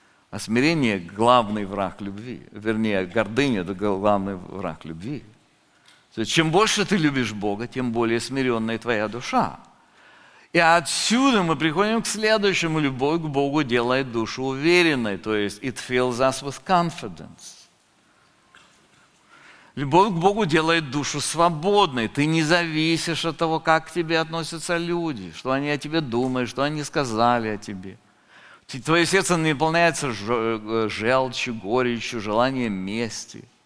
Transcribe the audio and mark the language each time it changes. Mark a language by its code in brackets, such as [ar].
[ru] А смирение – главный враг любви. Вернее, гордыня – это главный враг любви. То есть, чем больше ты любишь Бога, тем более смиренная твоя душа. И отсюда мы приходим к следующему. Любовь к Богу делает душу уверенной. То есть, [en] it fills us with confidence. [ru] Любовь к Богу делает душу свободной. Ты не зависишь от того, как к тебе относятся люди, что они о тебе думают, что они сказали о тебе. Твое сердце наполняется желчью, горечью, желанием мести.